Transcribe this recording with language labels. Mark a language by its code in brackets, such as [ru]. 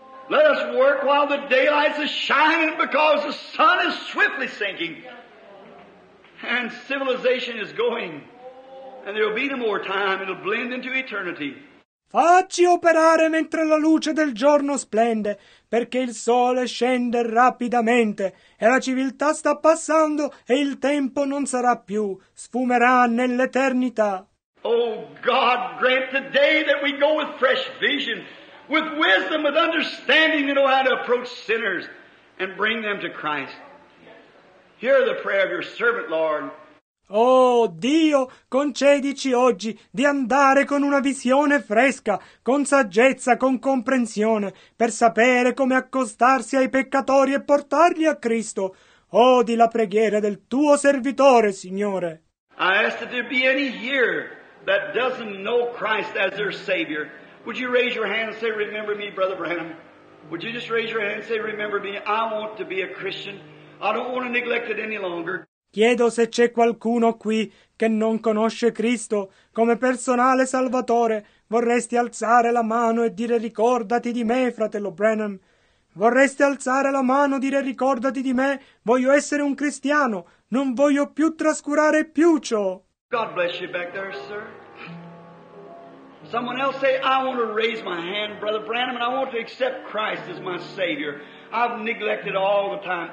[en] Let us work while the daylight is shining, because the sun is swiftly sinking and civilization is going, and there will be no more time, it'll blend into eternity. [it] Facci operare mentre la luce del giorno splende, perché il sole scende rapidamente e la civiltà sta passando e il tempo non sarà più, sfumerà nell'eternità. [en] Oh God, grant the day that we go with fresh vision, with wisdom, with understanding, to know how to approach sinners and bring them to Christ. Hear the prayer of your servant, Lord. [it] Oh Dio, concedici oggi di andare con una visione fresca, con saggezza, con comprensione, per sapere come accostarsi ai peccatori e portarli a Cristo. Odi la preghiera del tuo servitore, Signore. [en] I ask that there be any here that doesn't know Christ as their Savior. Would you raise your hand and say, remember me, Brother Branham? Would you just raise your hand and say, remember me? I want to be a Christian. I don't want to neglect it any longer. [it] Chiedo se c'è qualcuno qui che non conosce Cristo come personale salvatore. Vorresti alzare la mano e dire, ricordati di me, fratello Branham? Vorresti alzare la mano e dire, ricordati di me? Voglio essere un cristiano. Non voglio più trascurare più ciò. [en] God bless you back there, sir. Someone else say, I want to raise my hand, Brother Branham, and I want to accept Christ as my Savior. I've neglected all the time.